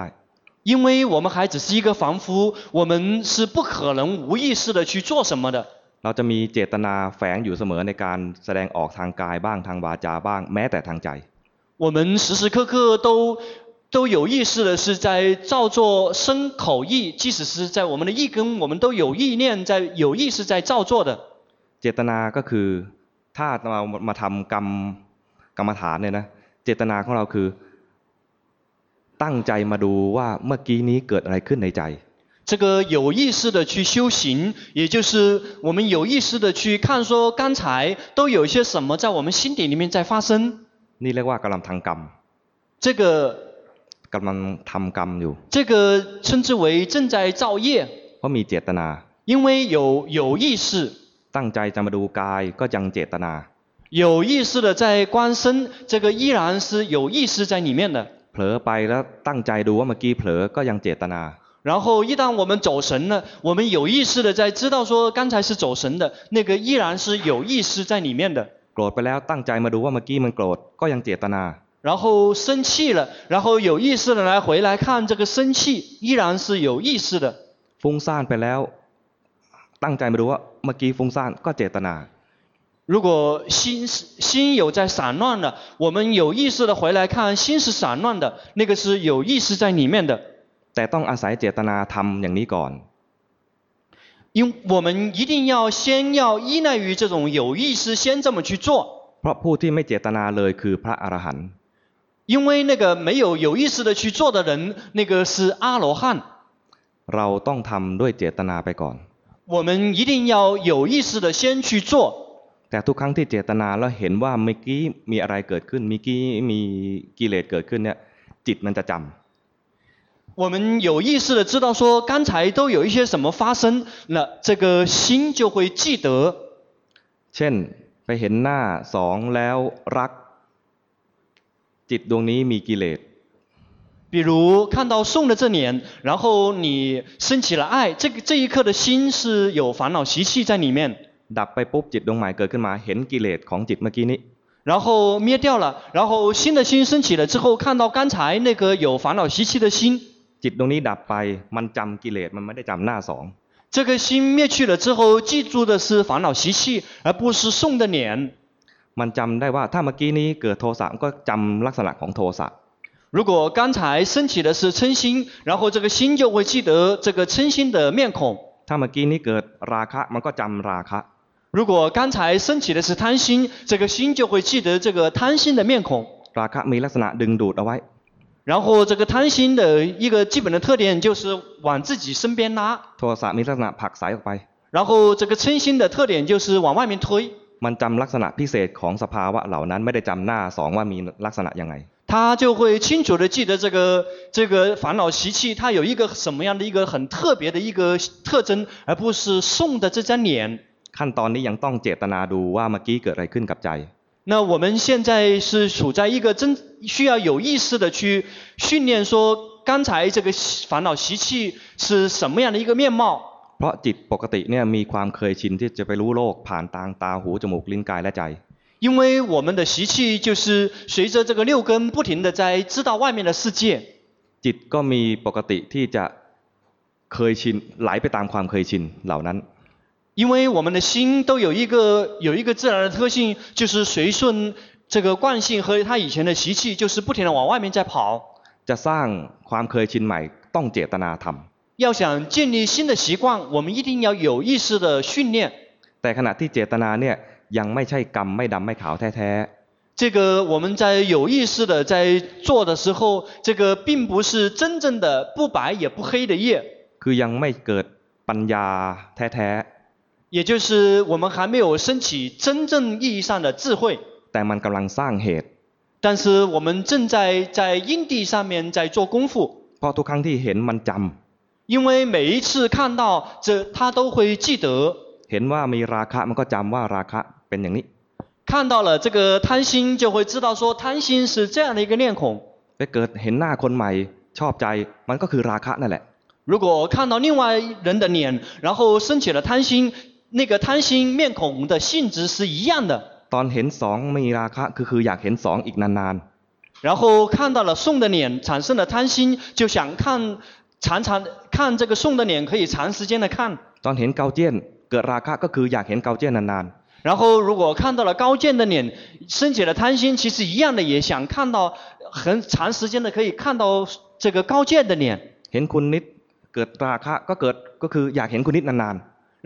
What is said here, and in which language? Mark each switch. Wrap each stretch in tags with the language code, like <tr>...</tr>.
<zh>因为我们还只是一个凡夫我们是不可能无意识的去做什么的</zh> <th>เราจะมีเจตนาแฝงอยู่เสมอในการแสดงออกทางกายบ้างทางวาจาบ้างแม้แต่ทางใจ</th> <zh>我们时时刻刻都有意识的是在造作身口意即使是在我们的意根我们都有意念在有意识在造作的</zh> <th>เจตนาก็คือถ้ามาทำกรรมฐานเนี่ยนะเจตนาของเราคือตั้งใจมาดูว่าเมื่อกี้นี้เกิดอะไรขึ้นในใจ</th> <zh>这个有意识的去修行也就是我们有意识的去看说刚才都有些什么在我们心底里面在发生</zh> <th>นี่เรียกว่ากำลังทำกรรม</th> <zh>这个</zh> <th>กำลังทำกรรมอยู่</th> <zh>这个称之为正在造业</zh> <th>เพราะมีเจตนา</th> <zh>因为有意识</zh> <th>ตั้งใจจะมาดูกายก็ยังเจตนา</th> <zh>有意识的在观身这个依然是有意识在里面的</zh> <th>เผลอไปแล้วตั้งใจดูว่าเมื่อกี้เผลอก็ยังเจตนา</th> <zh>然后一旦我们走神了我们有意识的在知道说刚才是走神的那个依然是有意识在里面的</zh> <th>โกรธไปแล้วตั้งใจมาดูว่าเมื่อกี้มันโกรธก็ยังเจตนา</th> <zh>然后生气了然后有意识的来回来看这个生气依然是有意识的</zh> <th>ฟุ้งซ่านไปแล้วตั้งใจมาดูว่าเมื่อกี้ฟุ้งซ่านก็เจตนา</th> <zh>如果心有在散乱了我们有意识的回来看心是散乱的那个是有意识在里面的</zh> <th>แต่ต้องอาศัยเจตนาทำอย่างนี้ก่อน</th> <zh>因为我们一定要先要依赖于这种有意识先这么去做</zh> <th>เพราะผู้ที่ไม่เจตนาเลยคือพระอรหันต์</th> <zh>因为那个没有有意识的去做的人那个是阿罗汉</zh> <th>เราต้องทำด้วยเจตนาไปก่อน</th> <zh>我们一定要有意识的先去做</zh> <th>แต่ทุกครั้งที่เจตนาแล้วเห็นว่าเมื่อกี้มีอะไรเกิดขึ้นเมื่อกี้มีกิเลสเกิดขึ้นเนี่ยจิตมันจะจำ</th> <zh>我们有意识的知道说刚才都有一些什么发生那这个心就会记得</zh> <th>เช่นไปเห็นหน้าสองแล้วรักจิตดวงนี้มีกิเลส</th> <zh>比如看到送的这脸然后你升起了爱这一刻的心是有烦恼习气在里面</zh> <th>ดับไปปุ๊บจิตดวงใหม่เกิดขึ้นมาเห็นกิเลสของจิตเมื่อกี้นี้</th> <zh>然后灭掉了然后新的心升起了之后看到刚才那个有烦恼习气的心</zh> <th>จิตดวงนี้ดับไปมันจำกิเลสมันไม่ได้จำหน้าสอง</th> <zh>这个心灭去了之后记住的是烦恼习气而不是送的脸</zh> <th>มันจำได้ว่าถ้าเมื่อกี้นี้เกิดโทสะก็จำลักษณะของโทสะ</th> <zh>如果刚才升起的是嗔心然后这个心就会记得这个嗔心的面孔</zh> <th>ถ้าเมื่อกี้นี้เกิดราคะมันก็จำราคะ</th> <zh>如果刚才升起的是贪心这个心就会记得这个贪心的面孔</zh> <th>ราคะมีลักษณะดึงดูดเอาไว้</th> <zh>然后这个贪心的一个基本的特点就是往自己身边拉</zh> <th>โทสะมีลักษณะผลักสายออกไป</th> <zh>然后这个嗔心的特点就是往外面推</zh> <th>มันจำลักษณะพิเศษของสภาวะเหล่านั้นไม่ได้จำหน้าสองว่ามีลักษณะยังไง</th> <zh>他就会清楚的记得这个烦恼习气它有一个什么样的一个很特别的一个特征而不是送的这张脸</zh> <th>ขั้นตอนนี้ยังต้องเจตนาดูว่าเมื่อกี้เกิดอะไรขึ้นกับใจ</th> <zh>那我们现在是处在一个真需要有意识的去训练说刚才这个烦恼习气是什么样的一个面貌</zh> <th>เพราะจิตปกติเนี่ยมีความเคยชินที่จะไปรู้โลกผ่านตาหูจมูกลิ้นกายและใจ</th> <zh>因为我们的习气就是随着这个六根不停的在知道外面的世界</zh> <th>จิตก็มีปกติที่จะเคยชินไหลไปตามความเคยชินเหล่านั้น</th> <zh>因为我们的心都有一个自然的特性就是随顺这个惯性和他以前的习气就是不停的往外面在跑</zh> <th>จะสร้างความเคยชินใหม่ต้องเจตนาทำ</th> <zh>要想建立新的习惯我们一定要有意识的训练</zh> <th>แต่ขณะที่เจตนาเนี่ยยังไม่ใช่กรรมไม่ดำไม่ขาวแท้</th> <zh>ๆ这个我们在有意识的在做的时候这个并不是真正的不白也不黑的业</zh> <th>คือยังไม่เกิดปัญญาแท้</th> <zh>ๆ也就是我们还没有升起真正意义上的智慧</zh> <th>แต่มันกำลังสร้างเหตุ</th> <zh>但是我们正在因地上面在做功夫</zh> <th>เพราะทุกครั้งที่เห็นมันจำ</th> <zh>因为每一次看到这他都会记得</zh> <th>เห็นว่ามีราคะมันก็จำว่าราคะเป็นอย่างนี้</th> <zh>看到了这个贪心就会知道说贪心是这样的一个念孔</zh> <th>ไปเกิดเห็นหน้าคนใหม่ชอบใจมันก็คือราคะนั่นแหละ</th> <zh>如果看到另外人的脸，然后生起了贪心，那个贪心面孔的性质是一样的。</zh> <th>ตอนเห็นสองมีราคะคืออยากเห็นสองอีกนาน</th> <zh>ๆ然后看到了宋的脸，产生了贪心，就想看常常看这个宋的脸，可以长时间的看。</zh> <th>ตอนเห็นเกาเจียนเกิดราคะก็คืออยากเห็นเกาเจียนนาน</th> <zh>ๆ然后如果看到了高见的脸，生起了贪心，其实一样的，也想看到很长时间的可以看到这个高见的脸。</zh> <th>เห็นคุณนิดเกิดราคะก็เกิดก็คืออยากเห็นคุณนิดนานๆ</th>